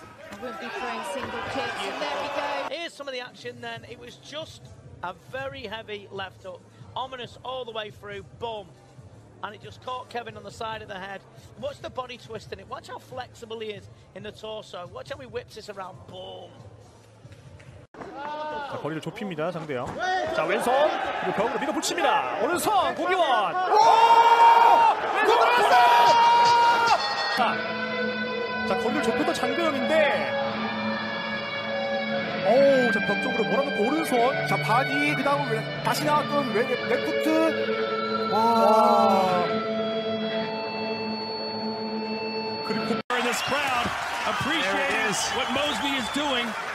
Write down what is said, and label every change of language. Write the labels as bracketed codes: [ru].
[en] I wouldn't be throwing single kicks. And there we go. Here's some of the action then. It was just a very heavy left hook. Ominous all the way through. Boom. And it just caught Kevin on the side of the head. Watch the body twist in it. Watch how flexible he is in the torso. Watch how he whips this around. Boom. [ko] 자, 거리를 좁힙니다 상대요. 자 왼손 그리고 벽으로 밀어 붙입니다. 오른손 고기원. 왼손 들어갔어. 자 거리를 좁혔던 장대영인데. 오, 자 벽 쪽으로 몰아넣고 오른손. 자 바디 그다음 다시 나왔던 레프트. 와. 그리고 [en] in this crowd appreciates what Mosby is doing.